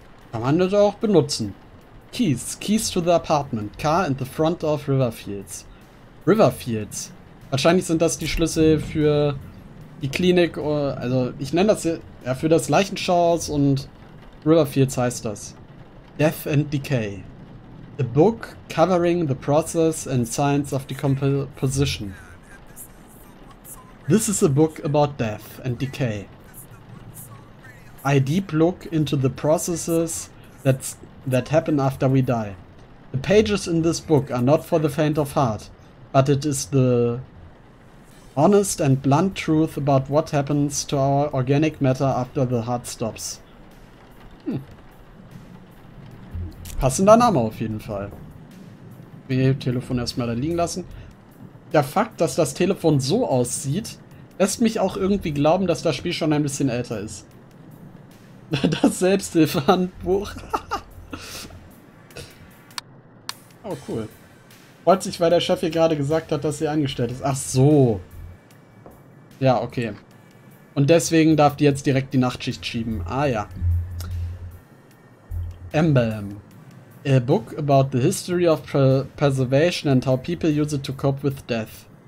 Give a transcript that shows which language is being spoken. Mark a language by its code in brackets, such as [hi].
[de] Kann man das auch benutzen. [en] Keys. Keys to the apartment. Car in the front of Riverfields. Riverfields. [de] Wahrscheinlich sind das die Schlüssel für die Klinik, also ich nenne das ja für das Leichenschauhaus und Riverfields heißt das. [en] Death and Decay. A book covering the process and science of decomposition. This is a book about death and decay. A deep look into the processes that happen after we die. The pages in this book are not for the faint of heart, but it is the honest and blunt truth about what happens to our organic matter after the heart stops. Hm. [de] Passender Name auf jeden Fall. Nee, Telefon erstmal da liegen lassen. Der Fakt, dass das Telefon so aussieht, lässt mich auch irgendwie glauben, dass das Spiel schon ein bisschen älter ist. Das Selbsthilfehandbuch. Oh, cool. Freut sich, weil der Chef hier gerade gesagt hat, dass sie eingestellt ist. Ach so. Ja, okay. Und deswegen darf die jetzt direkt die Nachtschicht schieben. Ah ja. [en] Emblem. A book about the history of preservation and how people use it to cope with death.